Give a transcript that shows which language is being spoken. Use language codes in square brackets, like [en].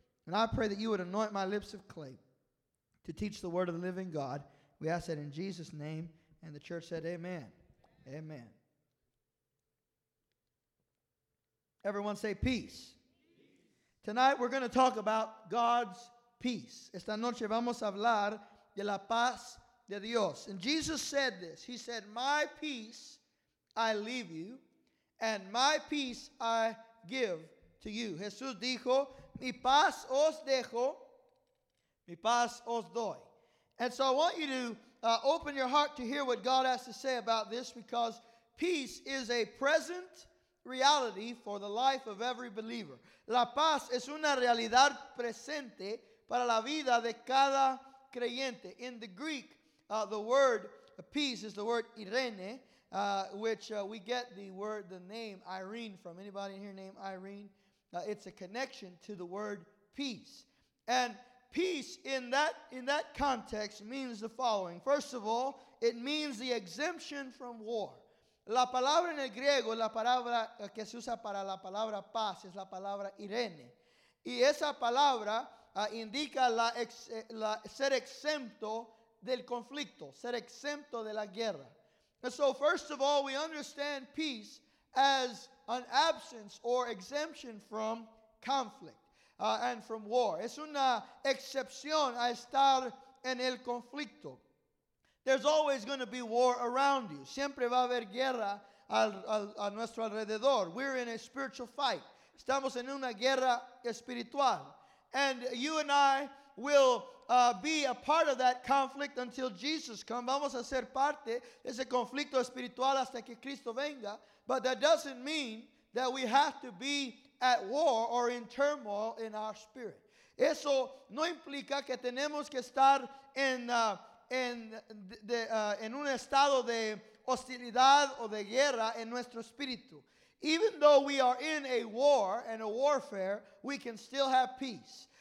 [en] And I pray that you would anoint my lips of clay to teach the word of the living God. We ask that in Jesus' name, and the church said amen. Amen. Everyone say peace. Tonight we're going to talk about God's peace. [es] Esta noche vamos a hablar de la paz de Dios. [en] And Jesus said this. He said, my peace I leave you, and my peace I give to you. [es] Jesús dijo, mi paz os dejo, mi paz os doy. [en] And so I want you to open your heart to hear what God has to say about this, because peace is a present reality for the life of every believer. [es] La paz es una realidad presente para la vida de cada creyente. [en] In the Greek, the word peace is the word Irene, which we get the word, the name Irene from. Anybody in here named Irene? It's a connection to the word peace. And peace in that context means the following. First of all, it means the exemption from war. [es] La palabra en el griego, la palabra que se usa para la palabra paz, es la palabra Irene. Y esa palabra indica ser exento del conflicto, ser exento de la guerra. [en] And so first of all, we understand peace as an absence or exemption from conflict and from war. [es] Es una excepción a estar en el conflicto. [en] There's always going to be war around you. [es] Siempre va a haber guerra a nuestro alrededor. [en] We're in a spiritual fight. [es] Estamos en una guerra espiritual. [en] And you and I will be a part of that conflict until Jesus comes. [es] Vamos a ser parte de ese conflicto espiritual hasta que Cristo venga. [en] But that doesn't mean that we have to be at war or in turmoil in our spirit. [es] Eso no implica que tenemos que estar en un estado de hostilidad o de guerra en nuestro espíritu. [en] Even though we are in a war and a warfare, we can still have peace.